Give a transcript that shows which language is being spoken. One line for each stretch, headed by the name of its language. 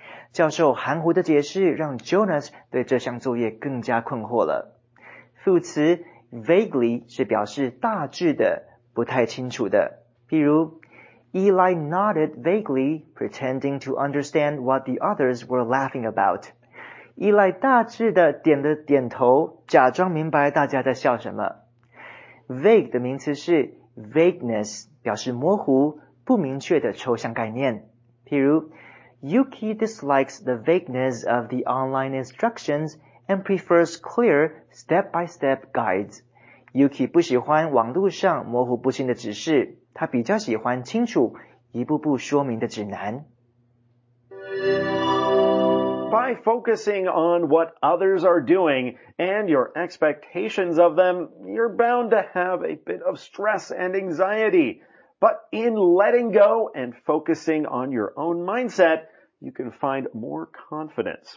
Chinese: 副词, vaguely是表示大致的,不太清楚的。譬如,
English: Eli nodded vaguely, pretending to understand what the others were laughing about.
Chinese: 依赖大致的点了点头, 假装明白大家在笑什么。Vague的名词是 vagueness, 表示模糊, 不明确的抽象概念。譬如,
English: Yuki dislikes the vagueness of the online instructions and prefers clear, step-by-step guides.
Chinese: Yuki不喜欢网络上模糊不清的指示, 他比较喜欢清楚一步步说明的指南。
English: By focusing on what others are doing and your expectations of them, you're bound to have a bit of stress and anxiety. But in letting go and focusing on your own mindset, you can find more confidence.